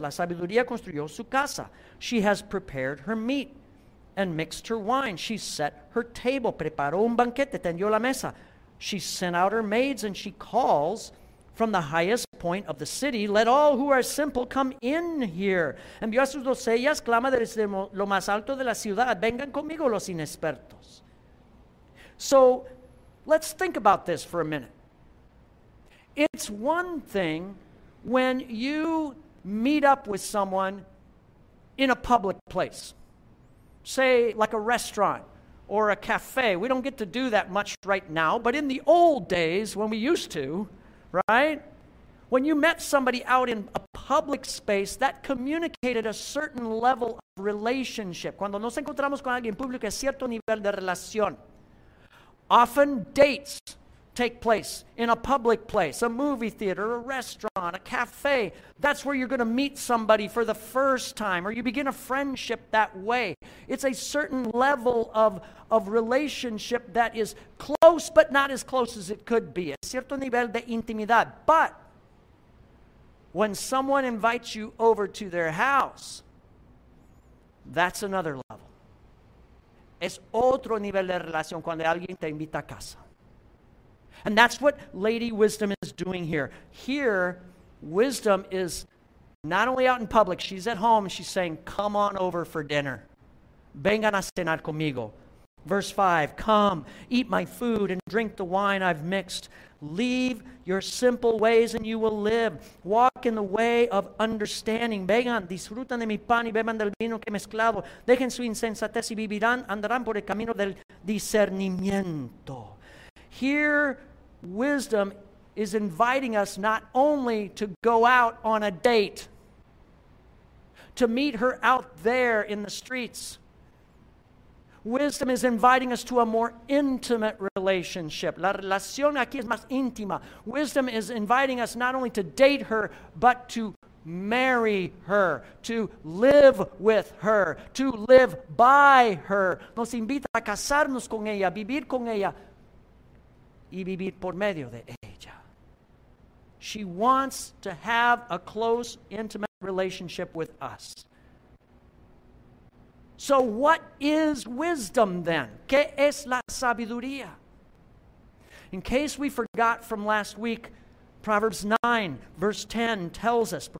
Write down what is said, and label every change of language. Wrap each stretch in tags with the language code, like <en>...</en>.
<es>La sabiduría construyó su casa.</es> <en>She has prepared her meat and mixed her wine. She set her table,</en> <es>preparó un banquete, tendió la mesa.</es> <en>She sent out her maids and she calls from the highest point of the city, let all who are simple come in here.</en> <es>Envió a sus doncellas, clama desde lo más alto de la ciudad, vengan conmigo los inexpertos.</es> <en>So let's think about this for a minute. It's one thing when you meet up with someone in a public place, say like a restaurant or a cafe. We don't get to do that much right now, but in the old days when we used to, right? When you met somebody out in a public space, that communicated a certain level of relationship.</en> <es>Cuando nos encontramos con alguien público, es cierto nivel de relación.</es> <en>Often dates take place in a public place, a movie theater, a restaurant, a cafe. That's where you're going to meet somebody for the first time, or you begin a friendship that way. It's a certain level of relationship that is close, but not as close as it could be.</en> <es>Es cierto nivel de intimidad.</es> <en>But when someone invites you over to their house, that's another level.</en> <es>Es otro nivel de relación cuando alguien te invita a casa.</es> <en>And that's what Lady Wisdom is doing here. Here, Wisdom is not only out in public, she's at home, she's saying, come on over for dinner.</en> <es>Vengan a cenar conmigo.</es> <en>Verse 5, come, eat my food and drink the wine I've mixed. Leave your simple ways and you will live. Walk in the way of understanding.</en> <es>Vengan, disfrutan de mi pan y beban del vino que he mezclado. Dejen su insensatez y vivirán, andarán por el camino del discernimiento.</es> <en>Here, wisdom is inviting us not only to go out on a date, to meet her out there in the streets. Wisdom is inviting us to a more intimate relationship.</en> <es>La relación aquí es más íntima.</es> <en>Wisdom is inviting us not only to date her, but to marry her, to live with her, to live by her.</en> <es>Nos invita a casarnos con ella, vivir con ella. Y vivir por medio de ella.</es> <en>She wants to have a close, intimate relationship with us. So what is wisdom then?</en> <es>¿Qué es la sabiduría?</es> <en>In case we forgot from last week, Proverbs 9, verse 10 tells us,</en>